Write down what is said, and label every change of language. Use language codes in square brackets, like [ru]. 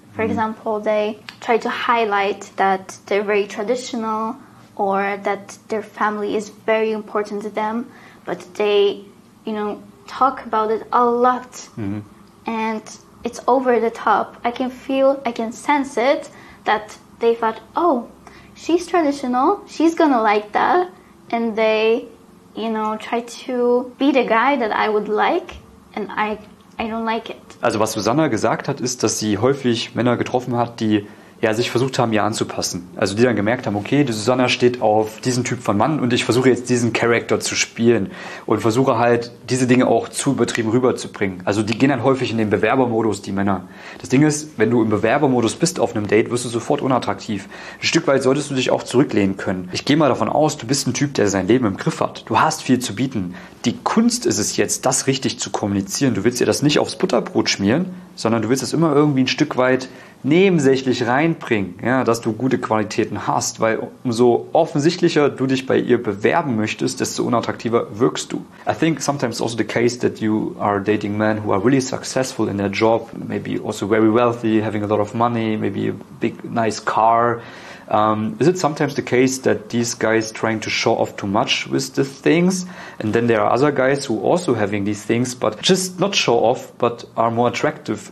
[en] For example, they try to highlight that they're very traditional or that their family is very important to them, but they, you know, talk about it a lot and it's over the top. I can feel, I can sense it, that they thought, oh, she's traditional, she's gonna like that, and they, you know, try to be the guy that I would like, and I don't like it. [de] Also was Susanna gesagt hat, ist, dass sie häufig Männer getroffen hat, die ja sich versucht haben, ihr anzupassen. Also die dann gemerkt haben, okay, die Susanna steht auf diesen Typ von Mann und ich versuche jetzt diesen Charakter zu spielen und versuche halt, diese Dinge auch zu übertrieben rüberzubringen. Also die gehen dann häufig in den Bewerbermodus, die Männer. Das Ding ist, wenn du im Bewerbermodus bist auf einem Date, wirst du sofort unattraktiv. Ein Stück weit solltest du dich auch zurücklehnen können. Ich gehe mal davon aus, du bist ein Typ, der sein Leben im Griff hat. Du hast viel zu bieten. Die Kunst ist es jetzt, das richtig zu kommunizieren. Du willst dir das nicht aufs Butterbrot schmieren, sondern du willst das immer irgendwie ein Stück weit nebensächlich reinbringen, ja, dass du gute Qualitäten hast, weil umso offensichtlicher du dich bei ihr bewerben möchtest, desto unattraktiver wirkst du. [en] I think sometimes also the case that you are dating men who are really successful in their job, maybe also very wealthy, having a lot of money, maybe a big nice car. Is it sometimes the case that these guys trying to show off too much with the things, and then there are other guys who also having these things but just not show off but are more attractive?